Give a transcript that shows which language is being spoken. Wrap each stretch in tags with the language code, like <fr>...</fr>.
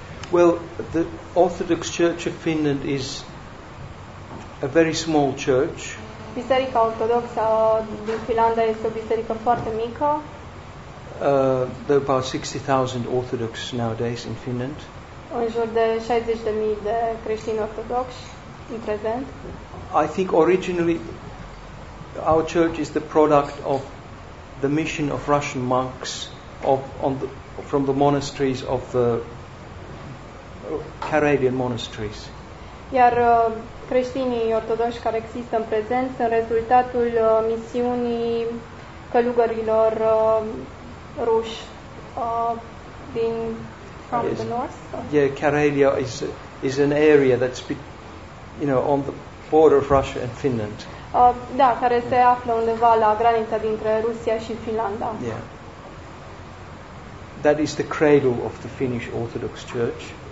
<en>Well, the Orthodox Church of Finland is a very small church.</en> <ro>Biserica ortodoxă din Finlanda este o biserică foarte mică.</ro> <en>There are about 60,000 Orthodox nowadays in Finland.</en> <ro>În jur de 60,000 de creștini ortodoxi în prezent.</ro> <en>I think originally our church is the product of the mission of Russian monks from the monasteries of the Karelian monasteries.</en> <ro>Iar creștinii ortodoxi care există în prezent sunt rezultatul misiunii călugărilor Rus din</ro> <en>from yes. The north. Yeah, Karelia is an area that's on the border of Russia and Finland.</en> <ro>Da, care se află undeva la granița dintre Rusia și Finlanda.</ro> <en>Yeah. That is the cradle of the Finnish Orthodox Church.</en>